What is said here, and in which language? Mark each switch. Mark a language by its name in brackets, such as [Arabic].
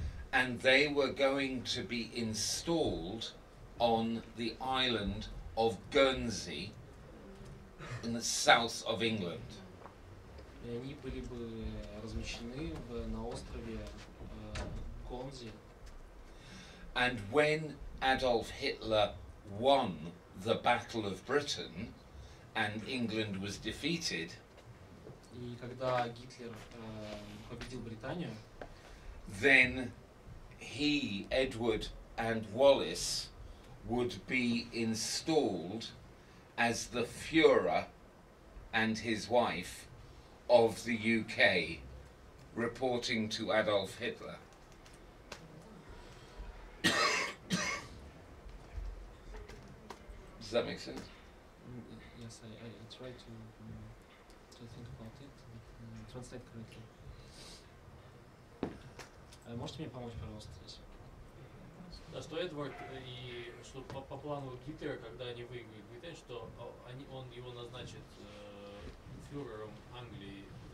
[English] And they were going to be installed on the island of Guernsey in the south of England. [Russian] И они были бы размещены на острове Гонзи. [English] And when Adolf Hitler won the Battle of Britain and England was defeated, [Russian] и когда Гитлер победил Британию, [English] then he, Edward and Wallace would be installed as the Führer and his wife of the UK, reporting to Adolf Hitler. Does that make sense? Yes, I try to think about it, translate correctly. [Russian] Можете мне помочь, пожалуйста, здесь? Да, что Эдвард и что по плану Гитлера, когда они выиграют Британию, что они, он его назначит фюрером Англии,